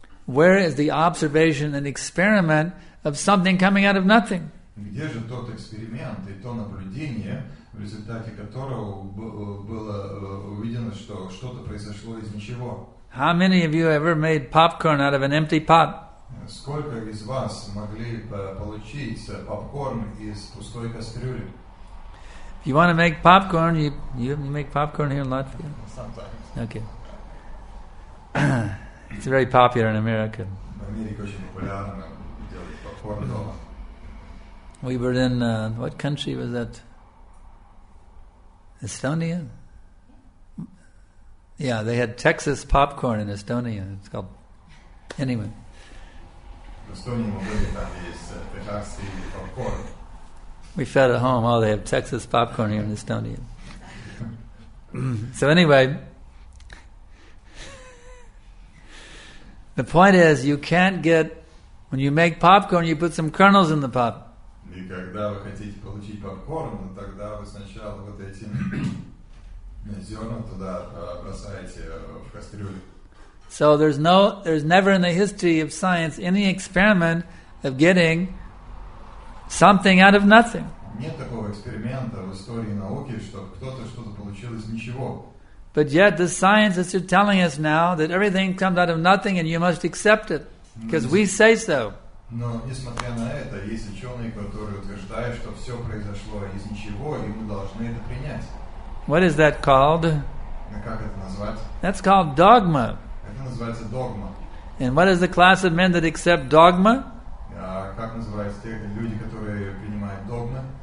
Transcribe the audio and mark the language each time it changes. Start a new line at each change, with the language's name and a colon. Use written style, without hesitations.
English: Where is the observation and experiment of something coming out of nothing?
Russian: Где же тот эксперимент и то наблюдение, в результате которого было увидено, что что-то произошло из ничего?
English: How many of you ever made popcorn out of an empty pot?
Russian: Сколько из вас могли получить попкорн из пустой кастрюли?
English: If you want to make popcorn, you make popcorn here in Latvia? Sometimes. Okay. It's very popular in America.
Russian: В Америке очень популярно делать попкорн дома.
English: We were in, what country was that? Estonia? Yeah, they had Texas popcorn in Estonia. It's called, anyway.
Russian: В Эстонии мы были, там есть Техас и попкорн.
English: We felt at home. Oh, they have Texas popcorn here in Estonia. So anyway, the point is, you can't get, when you make popcorn, you put some kernels in the pop.
Russian: И когда вы хотите получить попкорн, тогда вы сначала вот эти зерна туда бросаете в кастрюлю.
English: So there's never in the history of science any experiment of getting something out of nothing.
Russian: Нет такого эксперимента в истории науки, чтобы кто-то что-то получил из ничего.
English: But yet the scientists are telling us now that everything comes out of nothing and you must accept it, because we say so.
Russian: Но несмотря на это, есть ученые, которые утверждают, что все произошло из ничего, и мы должны это принять.
English: What is that called?
Russian: Как это назвать?
English: That's called dogma.
Russian: Это называется догма.
English: And what is the class of men that accept dogma?
Russian: Как называются те люди, которые принимают догмы?